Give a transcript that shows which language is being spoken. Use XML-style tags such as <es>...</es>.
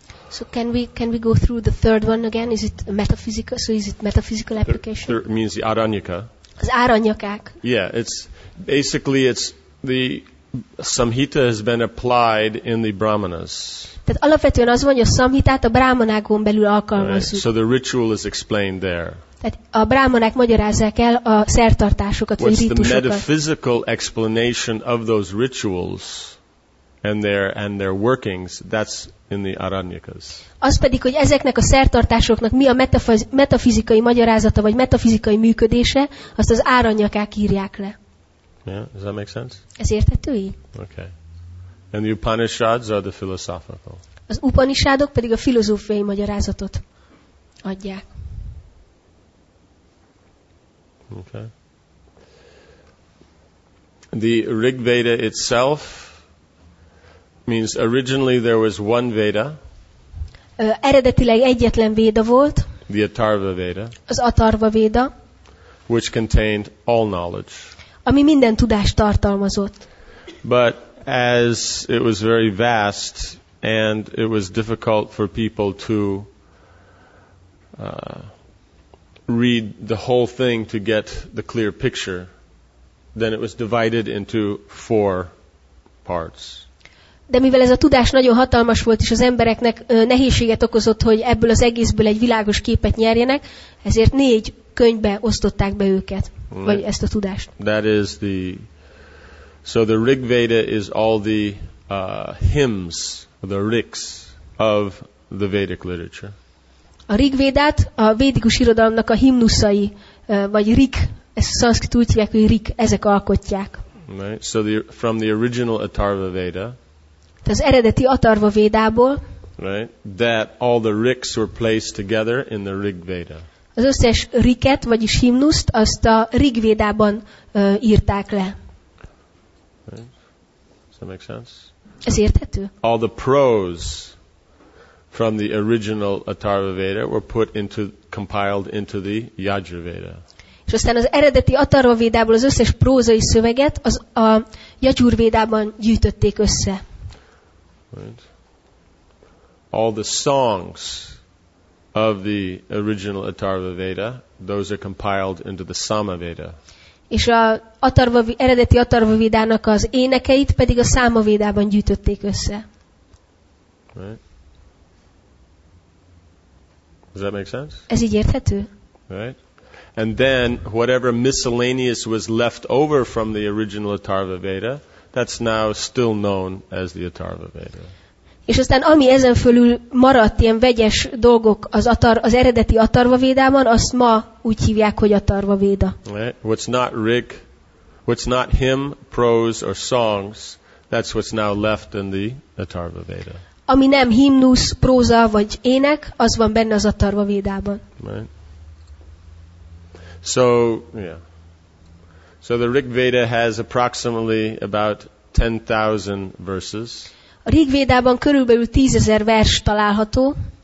<en>So can we go through the third one again? Is it metaphysical? So is it metaphysical application? It means the aranyaka.</en> <hu>Az aranyakák.</hu> <en>Yeah, it's basically it's the Samhita has been applied in the brahmanas.</en> <hu>Tehát alapvetően az van, hogy a Samhitát a brahmanákon belül alkalmazzuk.</hu> <en>Right. So the ritual is explained there.</en> <hu>Tehát a brahmanák magyarázzák el a szertartásokat, vagy rítusokat.</hu> <en>What's the metaphysical explanation of those rituals and their workings? That's in the aranyakas.</en> <hu>Az pedig, hogy ezeknek a szertartásoknak mi a metafizikai magyarázata vagy metafizikai működése, azt az aranyakák írják le.</hu> <en>Yeah, does that make sense?</en> <hu>Ez érthető így?</hu> <en>Okay. And the Upanishads are the philosophical.</en> <hu>Az Upanishadok pedig a filozófiai magyarázatot adják.</hu> <en>Okay. The Rig Veda itself means originally there was one Veda.</en> <hu>Eredetileg egyetlen Veda volt.</hu> <en>The Atharva Veda.</en> <hu>Az Atharva Veda.</hu> <en>Which contained all knowledge.</en> <hu>Ami minden tudást tartalmazott.</hu> <en>But as it was very vast and it was difficult for people to read the whole thing to get the clear picture, then it was divided into four parts.</en> <hu>De mivel ez a tudás nagyon hatalmas volt, és az embereknek nehézséget okozott, hogy ebből az egészből egy világos képet nyerjenek, ezért négy könyvbe osztották be őket, vagy ezt a tudást.</hu> <en>That is the... So the Rig Veda is all the hymns, the riks of the Vedic literature.</en> <hu>A Rig Védát a védikus irodalomnak a himnuszai, vagy rik, ezt a szanszkrit úgy hívják, hogy rik, ezek alkotják.</hu> <en>Right. So the, from the original Atharva Veda,</en> <hu>az eredeti Atharva Védából,</hu> <en>right, that all the riks were placed together in the Rig Veda.</en> <hu>Az összes riket, vagyis himnuszt, azt a Rig Védában írták le.</hu> <en>Does that make sense?</en> <hu>Ez érthető?</hu> <en>All the prose from the original Atharva Veda were put into, compiled into the Yajurveda.</en> <hu>És aztán az eredeti Atharva Védából az összes prózai szöveget az a Yajurvédában gyűjtötték össze.</hu> <en>Right. All the songs of the original Atharva Veda, those are compiled into the Sama Veda.</en> <hu>És a Atharva, eredeti Atharva Védának az énekeit pedig a Sama Védában gyűjtötték össze.</hu> <en>Right. Does that make sense?</en> <hu>Ez így érthető?</hu> <en>Right. And then whatever miscellaneous was left over from the original Atharva Veda, that's now still known as the Atharva Veda.</en> <hu>És aztán ami ezen fölül maradt ilyen vegyes dolgok az, az eredeti Atharva Védában, azt ma úgy hívják, hogy Atharva Véda.</hu> <en>Right. What's not rig, what's not hymn, prose or songs, that's what's now left in the Atharva Veda.</en> <hu>Ami nem himnusz, próza vagy ének, az van benne az Atharva Védában.</hu> <en>Right. So, yeah. So the Rig Veda has approximately about 10,000 verses.</en> <hu>A Rig Védában körülbelül 10,000 vers található.</hu>